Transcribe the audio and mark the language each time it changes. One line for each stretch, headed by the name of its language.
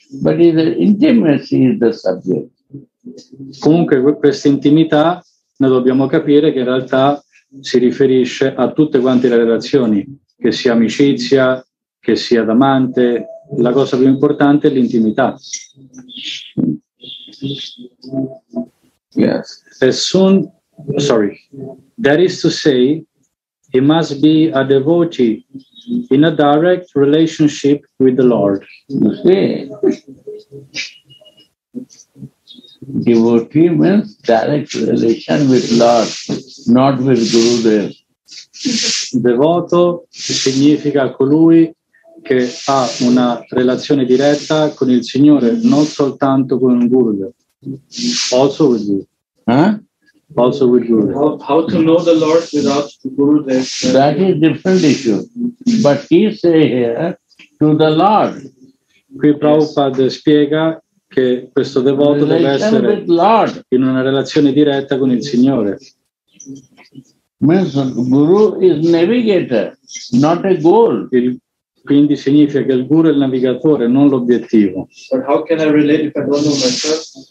English: But the intimacy is the subject.
Italian: Comunque questa intimità noi dobbiamo capire che in realtà si riferisce a tutte quante le relazioni, che sia amicizia, che sia d'amante, la cosa più importante è l'intimità.
English: Yes. That is to say, he must be a devotee in a direct relationship with the Lord. Devotee means direct relation with Lord, not with Gurudev.
Italian: Devoto significa colui che ha una relazione diretta con il Signore, non soltanto con Gurudev.
English: Also with you. Also with Guru. How to know the Lord without Gurudev? That is a different issue. But he say here to the Lord.
Italian: Qui Prabhupada spiega che questo devoto deve essere in una relazione diretta con il Signore.
English: Means Guru is navigator, not a goal.
Italian: Quindi significa che il Guru è il navigatore, non l'obiettivo.
English: But how can I relate if I don't know myself?